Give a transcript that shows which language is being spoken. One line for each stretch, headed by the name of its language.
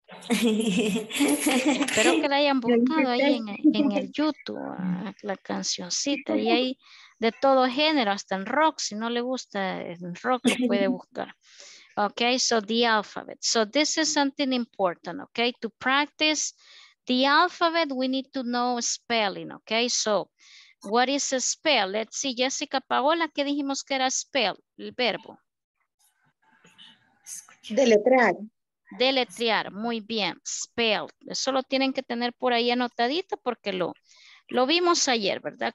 Spanish: Espero que la hayan buscado ahí en el YouTube la cancioncita, y hay de todo género, hasta en rock. Si no le gusta en rock, lo puede buscar.
English: Ok, so the alphabet. So this is something important. Ok, to practice the alphabet we need to know spelling. Ok, so what is a spell? Let's see,
Spanish: Jessica Paola, ¿qué dijimos que era spell? El verbo deletrear. Deletrear, muy bien, spell. Eso lo tienen que tener por ahí anotadito porque lo vimos ayer, ¿verdad?